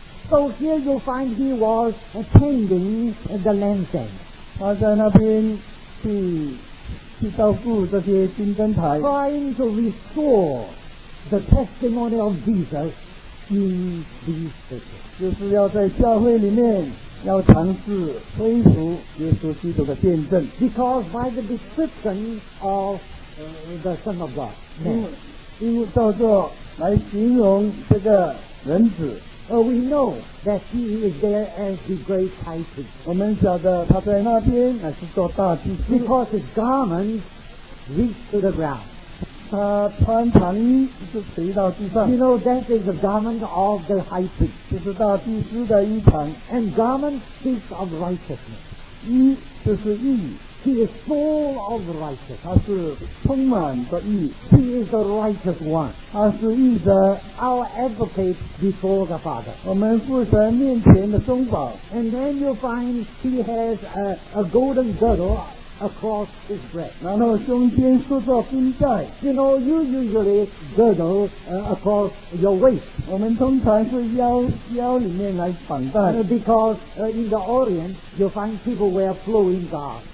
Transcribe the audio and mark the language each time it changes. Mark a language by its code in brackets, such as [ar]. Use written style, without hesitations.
[en] So here you find he was attending the lantern. [zh] 他在那边去照顾这些金灯台。 [en] Trying to restore the testimony of Jesus in these churches. [zh] 就是要在教会里面要尝试恢复耶稣基督的见证。 [en] Because by the description of the Son of God, [zh] 因为照着来形容这个人子。 [en] We know that he is there as the great high priest. [zh] 我们晓得他在那边乃是做大祭司。 [en] Because his garments reach to the ground. [zh] 他穿长衣就垂到地上。 [en] You know that is the garment of the high priest. [zh] 就是大祭司的衣裳。 [en] And garment speaks of righteousness. [zh] 衣就是义。 [en] He is full of righteousness. [zh] 他是充满着义。 [en] He is the righteous one. [zh] 他是义者。 [en] Our advocate before the Father. [zh] 我们父神面前的中保。 [en] And then you find he has a golden girdle. Across his breast. [zh] 然后胸间束着金带。 [en] You know, you usually girdle across your waist. [zh] 我们通常是腰里面来绑带。 [en] Because in the Orient, you find people wear flowing garments.